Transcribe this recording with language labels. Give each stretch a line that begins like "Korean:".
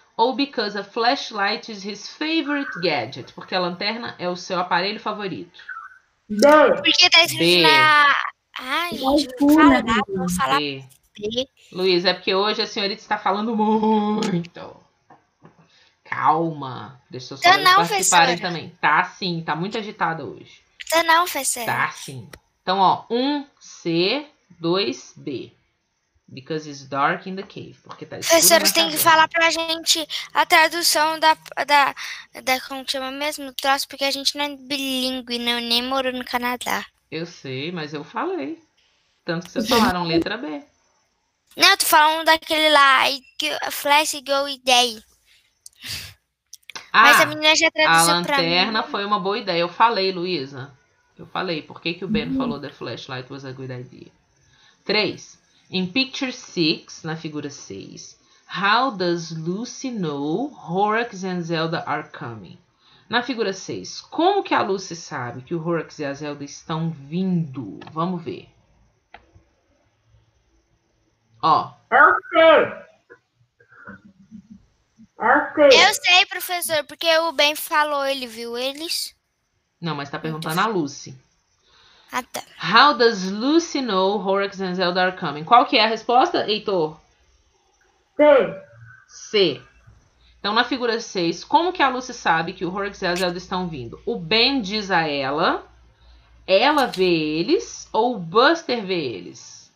English: Ou because a flashlight is his favorite gadget.
Portuguese: Porque a lanterna é o seu aparelho favorito. Porque tá escuro na... Ai, escuro, fala, né? Vou falar... Luiz, é porque hoje a senhorita está falando muito. Calma. Deixa eu só participarem também. Tá sim, tá muito agitada hoje. Tá não, Fessera. Tá sim. Então, ó, 1C, 2B.
English: Because it's dark in the cave.
Portuguese: Porque tá escuro. Fessera, você tem que falar pra gente a tradução da como chama mesmo? Troço, porque a gente não é bilíngue, não, nem morou no Canadá. Eu sei, mas eu falei. Tanto que vocês falaram letra B. Não, eu tô falando daquele lá, Flash Go Day. Ah, mas a menina já traduziu pra mim. A lanterna foi uma boa ideia. Eu falei, Luísa. Eu falei. Por que que o Ben falou
English: The Flashlight was a good idea?
Portuguese: 3.
English: In picture 6,
Portuguese: na figura 6,
English: how does Lucy know Horrocks and Zelda are coming?
Portuguese: Na figura 6, como que a Lucy sabe que o Horrocks e a Zelda estão vindo? Vamos ver. Ó. Eu sei, professor, porque o Ben falou, ele viu eles. Não, mas tá perguntando a Lucy. Ah, tá.
English: How does Lucy know Horrocks and Zelda are coming?
Portuguese: Qual que é a resposta, Heitor? C. Então, na figura 6, como que a Lucy sabe que o Horrocks e a Zelda estão vindo? O Ben diz a ela, ela vê eles ou o Buster vê eles?